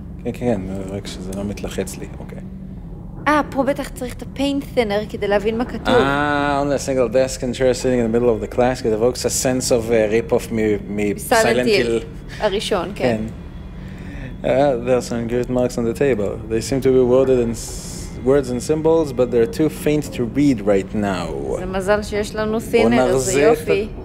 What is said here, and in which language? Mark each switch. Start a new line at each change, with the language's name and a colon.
Hebrew: כן, כן, רק שזה לא מתלחץ לי, אוקיי. פה בטח צריך את הפיינט תינר כדי להבין מה כתוב.
English: Only a single desk and chair sitting in the middle of the class, it evokes a sense of rip-off
Hebrew: מסיילנט היל. הראשון, כן.
English: There are some engraved marks on the table. They seem to be worded in words and symbols, but they're too faint to read right now.
Hebrew: זה מזל שיש לנו תינר, זה יופי.